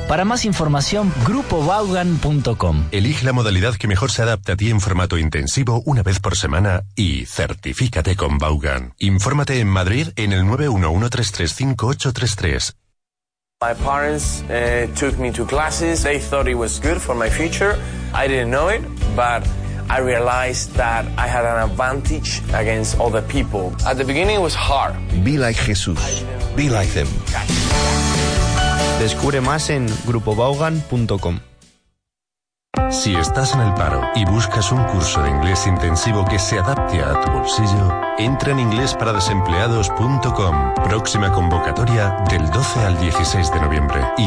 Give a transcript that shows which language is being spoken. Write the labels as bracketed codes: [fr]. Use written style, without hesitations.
[es] Para más información, grupobaugan.com. Elige la modalidad que mejor se adapte a ti en formato intensivo una vez por semana y certifícate con Baugan. Infórmate en Madrid en el 911-335-833. [en] My parents took me to classes. They thought it was good for my future. I didn't know it, but I realized that I had an advantage against other people. At the beginning, it was hard. Be like Jesus. Be like them. [es] Descubre más en grupobaugan.com. Si estás en el paro y buscas un curso de inglés intensivo que se adapte a tu bolsillo, entra en inglesparadesempleados.com. Próxima convocatoria del 12 al 16 de noviembre.